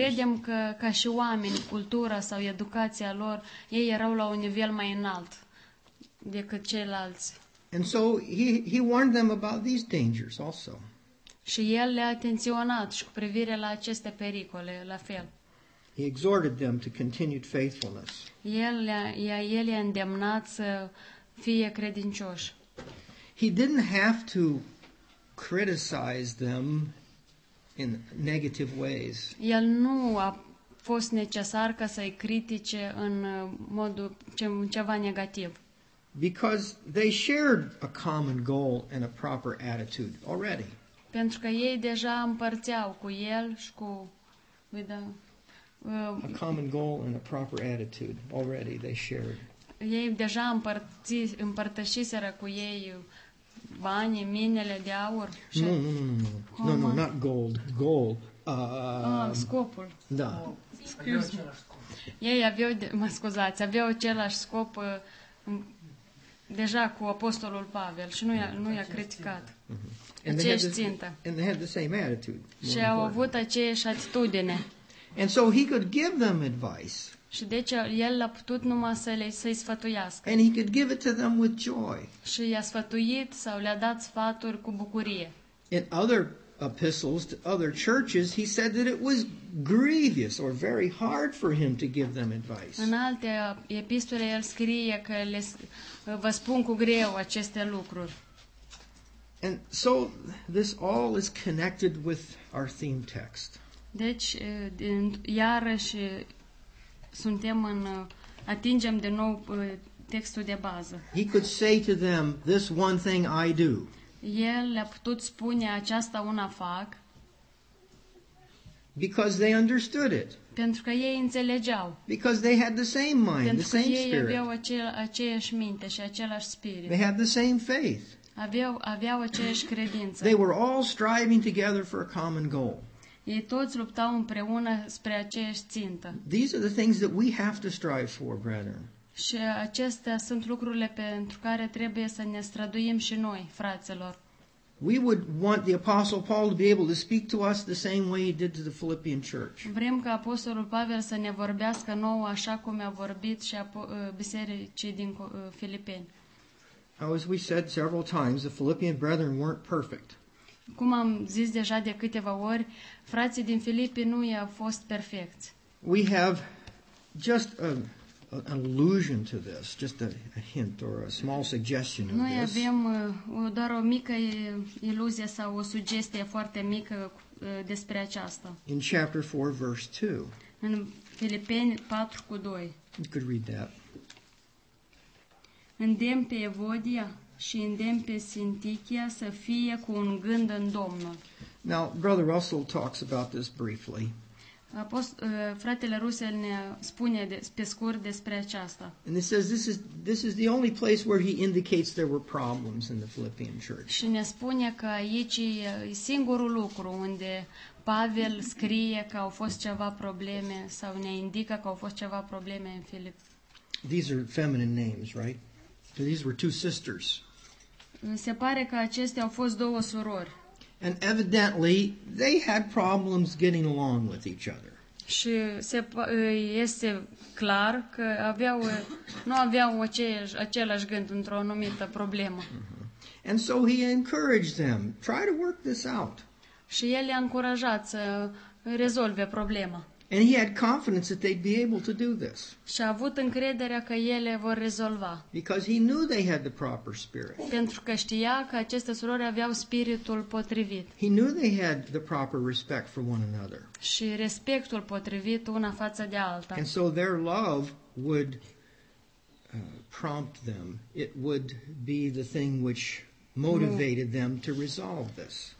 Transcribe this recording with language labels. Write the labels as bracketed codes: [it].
[ro] Credem că ca și oameni, cultura sau educația lor, ei erau la un nivel mai înalt decât ceilalți. [en] And so he warned them about these dangers also. [ro] Și el le-a atenționat și cu privire la aceste pericole, la fel. [en] He exhorted them to continued faithfulness. [ro] El i-a îndemnat să fie credincioși. [en] He didn't have to criticize them in negative ways. [ro] El nu a fost necesar ca să-i critique în modul ceva negativ. [en] Because they shared a common goal and a proper attitude already. [ro] Pentru că ei deja împărțeau cu el și cu [en] a common goal and a proper attitude already they shared. [ro] Ei deja împărtășiseră cu ei banii, minele de aur. [en] No, not gold. Goal. [ro] Scopul. Da. Ei aveau, mă scuzați, aveau același scop deja cu apostolul Pavel și nu i-a criticat. [en] And they had the same attitude. [ro] Și au avut aceeași atitudine. [en] And so he could give them advice. [ro] Și deci el a putut numai să-i sfătuiască. [en] And he could give it to them with joy. [ro] Și i-a sfătuit sau le-a dat sfaturi cu bucurie. [en] In other epistles to other churches, he said that it was grievous or very hard for him to give them advice. [ro] În alte epistole el scrie că le vă spun cu greu aceste lucruri. [en] And so this all is connected with our theme text. [ro] Deci iarăși suntem în atingem de nou textul de bază. [en] He could say to them, "This one thing I do." [ro] El le-a putut spune aceasta una fac. [en] Because they understood it. [ro] Pentru că ei înțelegeau. [en] Because they had the same mind, [ro] pentru [en] the same spirit. [ro] Pentru că ei aveau aceeași minte și același spirit. [en] They had the same faith. [ro] Aveau aceeași credință. [en] They were all striving together for a common goal. [ro] Ei toți luptau împreună spre aceeași țintă. [en] These are the things that we have to strive for, brethren. [ro] Și acestea sunt lucrurile pentru care trebuie să ne străduim și noi, fraților. [en] We would want the apostle Paul to be able to speak to us the same way he did to the Philippian church. [ro] Vrem ca apostolul Pavel să ne vorbească nouă așa cum a vorbit și bisericii din Filipeni. [en] Now, as we said several times, the Philippian brethren weren't perfect. [ro] Cum am zis deja de câteva ori, frații din Filipi nu i-au fost perfecți. [en] We have just an allusion to this, just a hint or a small suggestion of [ro] noi [en] this. [ro] Noi avem doar o mică iluzie sau o sugestie foarte mică despre aceasta. [en] In chapter 4, verse 2. [ro] În Filipeni 4:2. [en] You could read that. [ro] Îndemn pe Evodia și îndemn pe Sintichia să fie cu un gând în Domnul. [en] Now, Brother Russell talks about this briefly. [ro] Fratele Russell ne spune pe scurt despre aceasta. [en] And he says this is the only place where he indicates there were problems in the Philippian church. [ro] Și ne spune că aici e singurul lucru unde Pavel scrie că au fost ceva probleme sau ne indică că au fost ceva probleme în Filip. [en] These are feminine names, right? So these were two sisters. [ro] Se pare că acestea au fost două surori. [en] And evidently they had problems getting along with each other. [ro] Și este clar că nu aveau același gând într-o anumită problemă. [en] And so he encouraged them, try to work this out. [ro] Și el i-a încurajat să rezolve problema. [en] And he had confidence that they'd be able to do this. [ro] Și a avut încrederea că ele vor rezolva. [en] Because he knew they had the proper spirit. [ro] Pentru că știa că aceste surori aveau spiritul potrivit. [en] He knew they had the proper respect for one another. [ro] Și respectul potrivit una față de alta. [en] And so their love would prompt them. It would be the thing which motivated them to resolve this.